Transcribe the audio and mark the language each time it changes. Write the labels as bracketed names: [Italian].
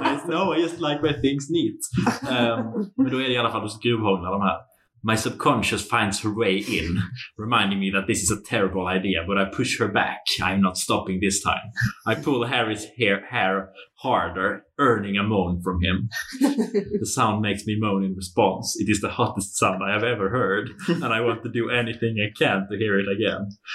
[English] No, I just like my things neat. [Swedish] Men då är det i alla fall så gruvhånglar de här. [English] My subconscious finds her way in, reminding me that this is a terrible idea, but I push her back. I'm not stopping this time. I pull Harry's hair harder, earning a moan from him. The sound makes me moan in response. It is the hottest sound I have ever heard, and I want to do anything I can to hear it again.